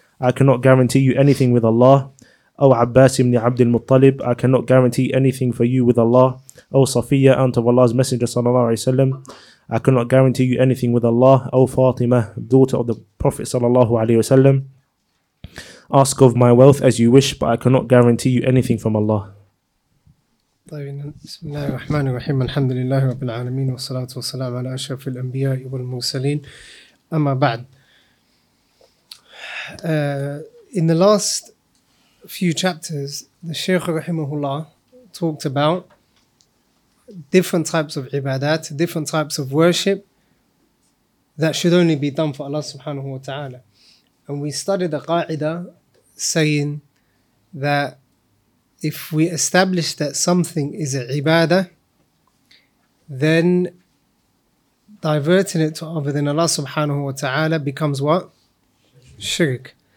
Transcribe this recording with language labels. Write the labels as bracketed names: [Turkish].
[English] I cannot guarantee you anything with Allah. O Abbas ibn Abdul Muttalib, I cannot guarantee anything for you with Allah. O Safiya, aunt of Allah's Messenger sallallahu alaihi wasallam, I cannot guarantee you anything with Allah. O Fatima, daughter of the Prophet sallallahu alaihi wasallam, ask of my wealth as you wish, but I cannot guarantee you anything from Allah." [Arabic] بسم الله الرحمن الرحيم الحمد لله رب العالمين والصلاة والسلام على أشرف الأنبياء والمرسلين أما بعد. [English] In the last few chapters, the Shaykh [Arabic] رحمه الله [English] talked about different types of ibadat, different types of worship that should only be done for Allah subhanahu wa ta'ala. And we studied a qa'ida saying that if we establish that something is a ibadah, then diverting it to other than Allah subhanahu wa ta'ala becomes what? Shirk.